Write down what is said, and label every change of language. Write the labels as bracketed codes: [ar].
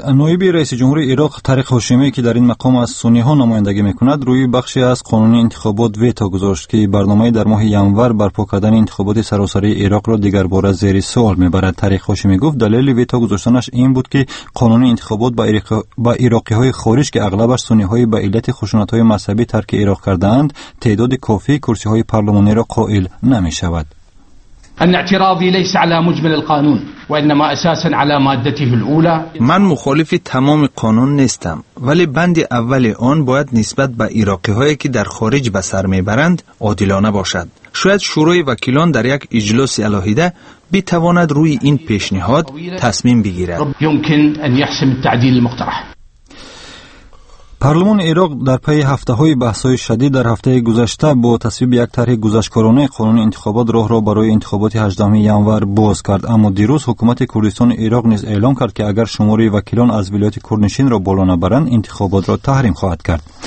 [fa] نویبی رئیس جمهور عراق طارق هاشمی که در این مقام از سنی ها نمایندگی میکند، روی بخشی از قانون انتخابات ویتو گذاشت که برنامه در ماه ینور برپا کردن انتخابات سراسری عراق را دیگر بار زیر سوال میبرد. طارق هاشمی گفت دلیل ویتو گذاشتنش این بود که قانون انتخابات به عراقی های خارج که اغلبش سنی های به علت خشونت های مذهبی ترک عراق کرده اند، تعداد کافی کرسی های پارلمانی را قائل نمیشود. [ar] ان اعتراضي ليس على مجمل القانون وانما اساسا على مادته الاولى. [fa] من مخالف تمام قانون نیستم، ولی بند اول آن باید نسبت به عراقی هایی که در خارج به سر میبرند عادلانه باشد. شاید شورای وکیلان در یک اجلاس الهیده بتواند روی این پیشنهاد تصمیم بگیرد. [ar] يمكن ان يحسم التعديل المقترح. [fa] پارلمان عراق در پی هفته‌های بحث‌های شدید در هفته گذشته با تصویب یک طرح گذشت‌کارانه قانون انتخابات راه را برای انتخابات 18 ینور باز کرد، اما دیروز حکومت کردستان عراق نیز اعلام کرد که اگر شماره وکیلان از ولایت کردنشین را بالا نبرند انتخابات را تحریم خواهد کرد.